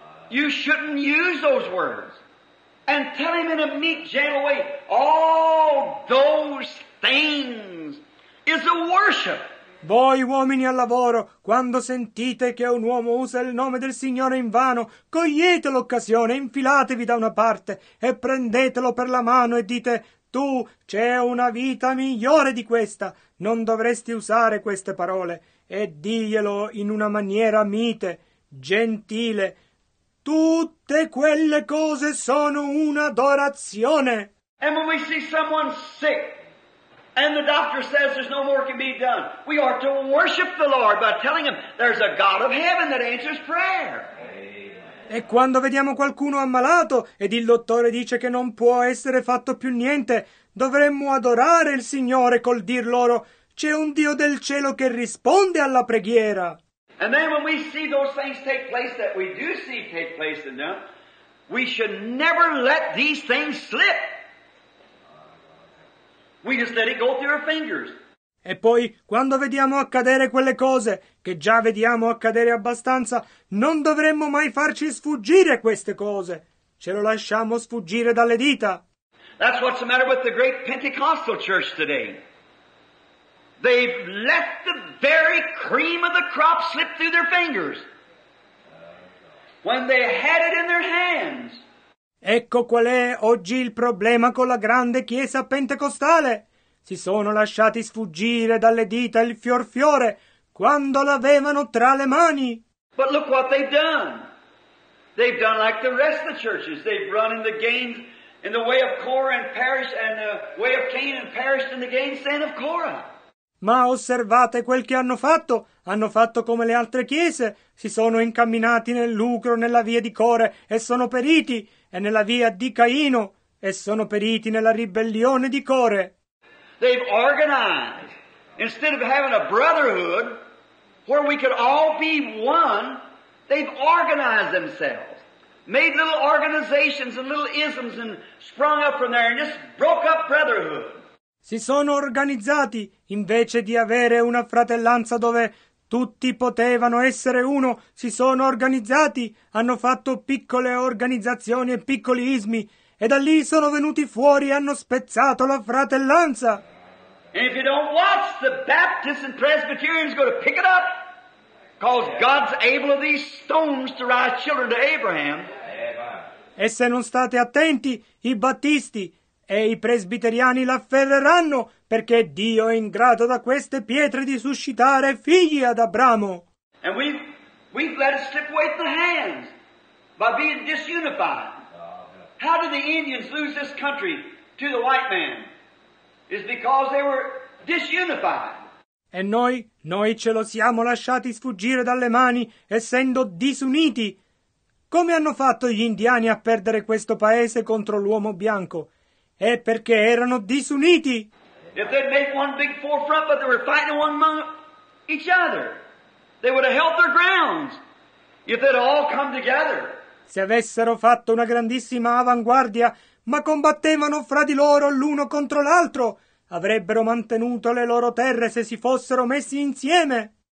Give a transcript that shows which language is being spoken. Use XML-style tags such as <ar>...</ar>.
<en>You shouldn't use those words. And tell him in a meek, gentle way, all those things is a worship.</en> <it>Voi uomini al lavoro, quando sentite che un uomo usa il nome del Signore in vano, cogliete l'occasione, infilatevi da una parte e prendetelo per la mano e dite, tu, c'è una vita migliore di questa. Non dovresti usare queste parole. E diglielo in una maniera mite, gentile. Tutte quelle cose sono un'adorazione.</it> <en>And when we see someone sick, and the doctor says there's no more can be done, we are to worship the Lord by telling him there's a God of heaven that answers prayer. Amen.</en> <it>E quando vediamo qualcuno ammalato ed il dottore dice che non può essere fatto più niente, dovremmo adorare il Signore col dir loro c'è un Dio del cielo che risponde alla preghiera.</it> <en>And then when we see those things take place that we do see take place in them, we should never let these things slip. We just let it go through our fingers.</en> <it>E poi, quando vediamo accadere quelle cose, che già vediamo accadere abbastanza, non dovremmo mai farci sfuggire queste cose. Ce lo lasciamo sfuggire dalle dita.</it> <en>That's what's the matter with the great Pentecostal church today. They've let the very cream of the crop slip through their fingers. When they had it in their hands.</en> <it>Ecco qual è oggi il problema con la grande chiesa pentecostale. Si sono lasciati sfuggire dalle dita il fior fiore quando l'avevano tra le mani.</it> <en>But look what they've done. They've done like the rest of the churches. They've run in the gains in the way of Korah and perished, and the way of Cain and perished in the gain sand of Korah.</en> <it>Ma osservate quel che hanno fatto. Hanno fatto come le altre chiese. Si sono incamminati nel lucro nella via di Core e sono periti. E nella via di Caino e sono periti nella ribellione di Core.</it> <en>They've organized. Instead of having a brotherhood where we could all be one, they've organized themselves. Made little organizations and little isms and sprung up from there and just broke up brotherhood.</en> <it>Si sono organizzati, invece di avere una fratellanza dove tutti potevano essere uno, si sono organizzati, hanno fatto piccole organizzazioni e piccoli ismi, e da lì sono venuti fuori e hanno spezzato la fratellanza.</it> <en>And if you don't watch, the Baptists and Presbyterians go to pick it up, because God's able of these stones to raise children to Abraham.</en> <it>E se non state attenti, i Battisti e i presbiteriani l'afferreranno perché Dio è in grado da queste pietre di suscitare figli ad Abramo.</it> <en>And we've let it slip away from the hands by being disunified. How did the Indians lose this country to the white man? is because they were disunified.</en> <it>E noi ce lo siamo lasciati sfuggire dalle mani, essendo disuniti. Come hanno fatto gli indiani a perdere questo paese contro l'uomo bianco? È perché erano disuniti.</it> <en>If they'd made one big forefront, but they were fighting one among each other, they would have held their grounds. If they'd all come together.</en> <it>Se avessero fatto una grandissima avanguardia, ma combattevano fra di loro l'uno contro l'altro, avrebbero mantenuto le loro terre se si fossero messi insieme.</it>